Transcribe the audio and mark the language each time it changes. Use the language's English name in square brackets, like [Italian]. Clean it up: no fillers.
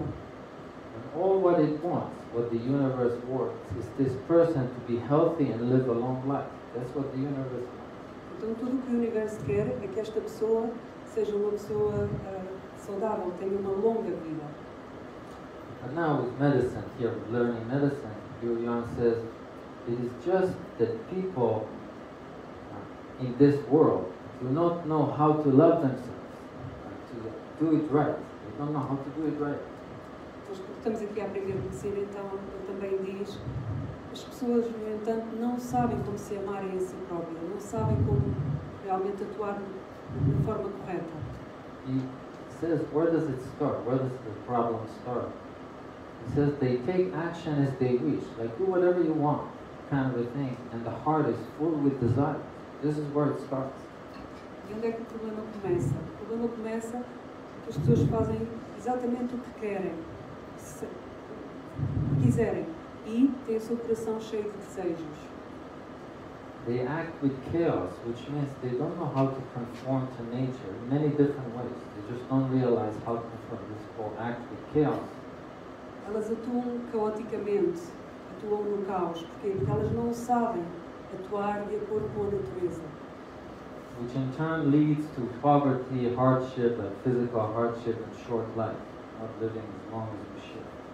[English] And all what it wants, what the universe wants, is this person to be healthy and live a long life. That's what the universe wants. [Portuguese] Então tudo o que o universo quer é que esta pessoa seja uma pessoa saudável, tenha uma longa vida. [English] And now with medicine, here learning medicine, Liu Yuan says, it is just that people in this world, do not know how to love themselves, to do it right. They don't know how to do it right. [Portuguese] Nós estamos aqui a aprender a conhecer, então ele também diz: as pessoas, no entanto, não sabem como se amarem a si próprias, não sabem como realmente atuar de forma correta. [English] He says, where does it start? Where does the problem start? He says, they take action as they wish, like do whatever you want, kind of a thing, and the heart is full with desire. This is where it starts. [Portuguese] E onde é que o problema começa? O problema começa que as pessoas fazem exatamente o que querem. Quiserem e têm o seu coração cheio de desejos. [English] They act with chaos, which means they don't know how to conform to nature in many different ways. They just don't realize how to conform. This is called act with chaos. [Portuguese] Elas atuam caoticamente, atuam no caos, porque elas não sabem atuar de acordo com a natureza. [English] Which in turn leads to poverty, hardship, and physical hardship and short life, not living as long as we should.